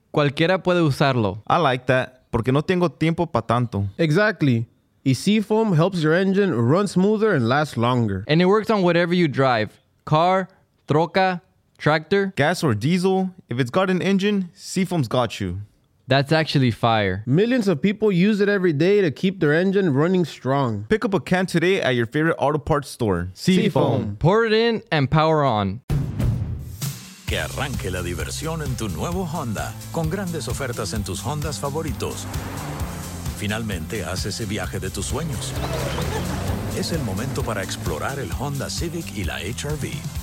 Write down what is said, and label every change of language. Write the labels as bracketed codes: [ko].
[es] Cualquiera puede usarlo. [en] I like that. [es] Porque no tengo tiempo pa' tanto. [en] Exactly. Y Seafoam helps your engine run smoother and last longer. And it works on whatever you drive. Car, troca, tractor. Gas or diesel. If it's got an engine, Seafoam's got you. That's actually fire. Millions of people use it every day to keep their engine running strong. Pick up a can today at your favorite auto parts store. Seafoam. Pour it in and power on. [es] Que arranque la diversión en tu nuevo Honda. Con grandes ofertas en tus Hondas favoritos. Finalmente, haz ese viaje de tus sueños. Es el momento para explorar el Honda Civic y la HR-V.